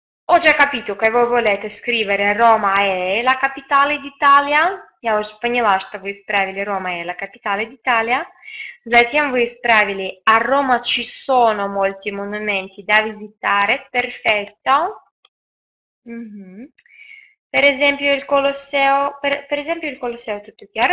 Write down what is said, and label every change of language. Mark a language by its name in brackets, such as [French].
[Italian] Ho già capito che voi volete scrivere Roma è la capitale d'Italia. [Russian] Я уже поняла, что вы исправили Рома и [Italian] la capitale d'Italia. [Russian] Затем вы исправили [Italian] A Roma ci sono molti monumenti da visitare. Perfetto. Per esempio il Colosseo. Per esempio il Colosseo, tutto chiaro?